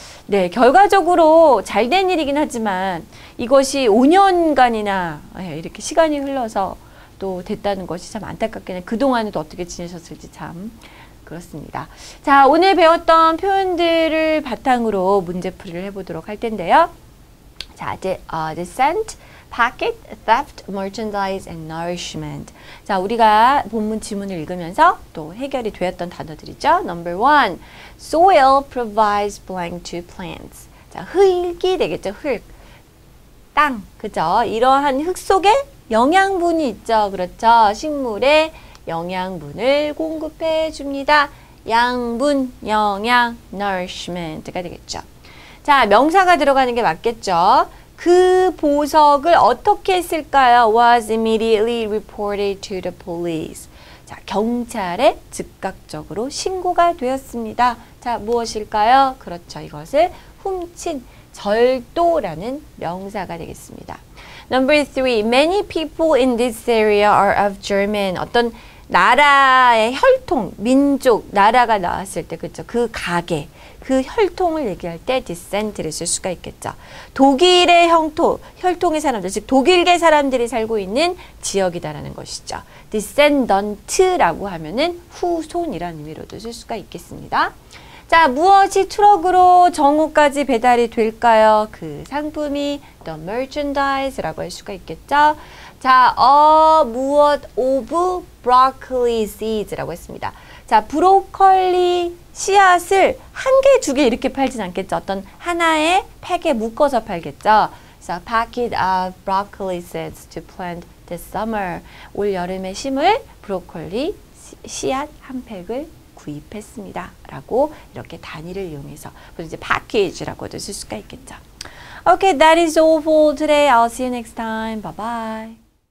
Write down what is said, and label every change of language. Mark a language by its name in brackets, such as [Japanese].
[Korean] 네, 결과적으로 잘 된 일이긴 하지만 이것이 5년간이나 이렇게 시간이 흘러서 또 됐다는 것이 참 안타깝게는 그동안에 또 어떻게 지내셨을지 참 그렇습니다. 자, 오늘 배웠던 표현들을 바탕으로 문제풀이를 해보도록 할 텐데요. [English] 자, the scent. Packet, theft, merchandise, and nourishment. [Korean] 자, 우리가 본문 지문을 읽으면서 또 해결이 되었던 단어들이죠. [English] Number one, soil provides blank to plants. [Korean] 자, 흙이 되겠죠, 흙. 땅, 그죠? 이러한 흙 속에 영양분이 있죠, 그렇죠? 식물에 영양분을 공급해 줍니다. 양분, 영양, nourishment가 되겠죠. 자, 명사가 들어가는 게 맞겠죠? 그 보석을 어떻게 했을까요? [English] Was immediately reported to the police. [Korean] 자, 경찰에 즉각적으로 신고가 되었습니다. 자, 무엇일까요? 그렇죠. 이것을 훔친 절도라는 명사가 되겠습니다. [English] Number three. Many people in this area are of German. [Korean] 어떤 나라의 혈통, 민족, 나라가 나왔을 때, 그렇죠. 그 가게. 그 혈통을 얘기할 때 descent를 쓸 수가 있겠죠. 독일의 형토, 혈통의 사람들, 즉 독일계 사람들이 살고 있는 지역이다라는 것이죠. descendant라고 하면은 후손이라는 의미로도 쓸 수가 있겠습니다. 자, 무엇이 트럭으로 정오까지 배달이 될까요? 그 상품이 the merchandise라고 할 수가 있겠죠. [English] 자, a of broccoli seeds라고 했습니다. [Korean] 자, 브로콜리 씨앗을 한 개, 두 개 이렇게 팔진 않겠죠. 어떤 하나의 팩에 묶어서 팔겠죠. [English] So, a packet of broccoli seeds to plant this summer. [Korean] 올 여름에 심을 브로콜리 씨앗 한 팩을 구입했습니다. 라고 이렇게 단위를 이용해서. 그래서 이제 package라고도 쓸 수가 있겠죠. [English] Okay, that is all for today. I'll see you next time. Bye bye.